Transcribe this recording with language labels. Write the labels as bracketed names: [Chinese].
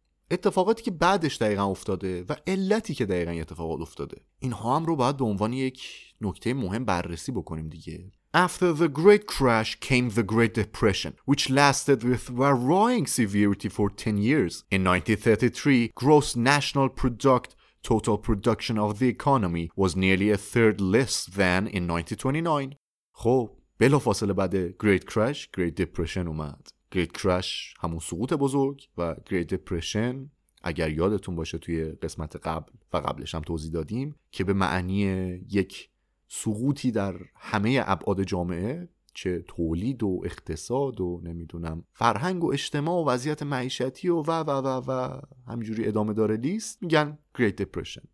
[Persian] اتفاقاتی که بعدش دقیقا افتاده و علتی که دقیقا اتفاقات افتاده. اینها هم رو باید به عنوان یک نکته مهم بررسی بکنیم دیگه. [English] After the Great Crash came the Great Depression, which lasted with varying severity for 10 years. In 1933, gross national product, total production of the economy, was nearly a third less than in 1929. [Persian] خب، بلافاصله بعد Great Crash، Great Depression اومد. Great Crash همون سقوط بزرگ و Great Depression، اگر یادتون باشه توی قسمت قبل و قبلش هم توضیح دادیم که به معنی یک سقوطی در همه ابعاد جامعه، چه تولید و اقتصاد و نمیدونم فرهنگ و اجتماع و وضعیت معیشتی و و و و و همینجوری ادامه داره لیست، میگن Great Depression.